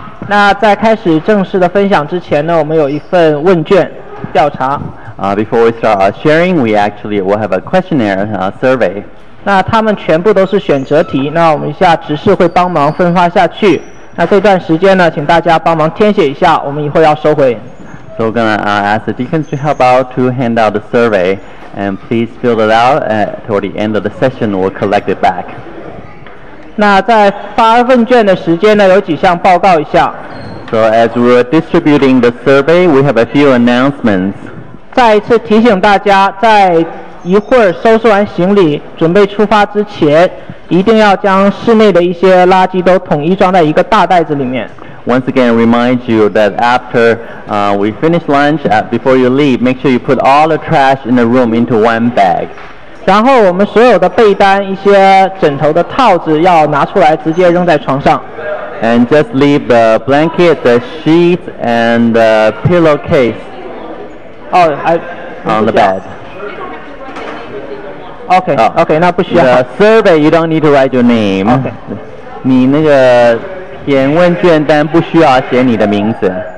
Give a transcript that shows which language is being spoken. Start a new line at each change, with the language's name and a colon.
Chinese: 那在开始正式的分享之前呢，我们有一份问卷调查。
English: Before we start our sharing, we actually will have a questionnaire, survey.
Chinese: 那他们全部都是选择题，那我们一下执事会帮忙分发下去。那这段时间呢，请大家帮忙填写一下，我们以后要收回。
English: So we're gonna ask the deacons to help out to hand out the survey, and please fill it out. Toward the end of the session, we'll collect it back.
Chinese: 那在发问卷的时间呢，有几项报告一下。
English: So as we're distributing the survey, we have a few announcements.
Chinese: 再一次提醒大家，在一会儿收拾完行李，准备出发之前，一定要将室内的一些垃圾都统一装在一个大袋子里面。
English: Once again, remind you that after we finish lunch, before you leave, make sure you put all the trash in the room into one bag.
Chinese: 然后我们所有的被单、一些枕头的套子要拿出来，直接扔在床上。
English: And just leave the blanket, the sheet, and the pillowcase. On the bed. Okay, okay,
Chinese: 那不需要。
English: The survey, you don't need to write your name. Okay.
Chinese: 你那个填问卷单不需要写你的名字。